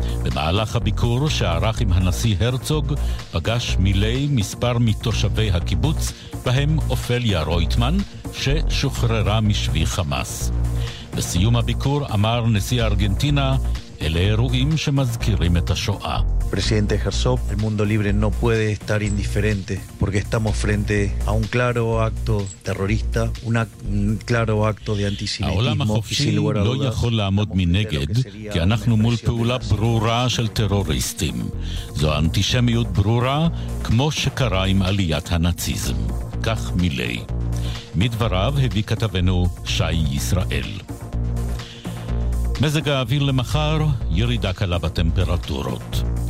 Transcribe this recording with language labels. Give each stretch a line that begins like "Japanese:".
Hebrew: במהלך הביקור שערך עם הנשיא הרצוג, פגש מילי מספר מתושבי הקיבוץ, בהם אופליה רויטמן, ששוחררה משבי חמאס. בסיום הביקור אמר נשיא ארגנטינה, אלה אירועים שמזכירים את השואה.
Spanish: Presidente Herzog, el mundo libre no puede estar indiferente porque estamos frente a un claro acto terrorista, un claro acto de antisemitismo.
Hebrew: העולם החופשי לא יכול לעמוד מנגד כי אנחנו מול פעולה ברורה של טרוריסטים. זו אנטישמיות ברורה כמו שקרה עם עליית הנאציזם. כך מילי. מדבריו הביא כתבנו שי ישראל. מזג האוויר למחר, ירידה קלה בטמפרטורות.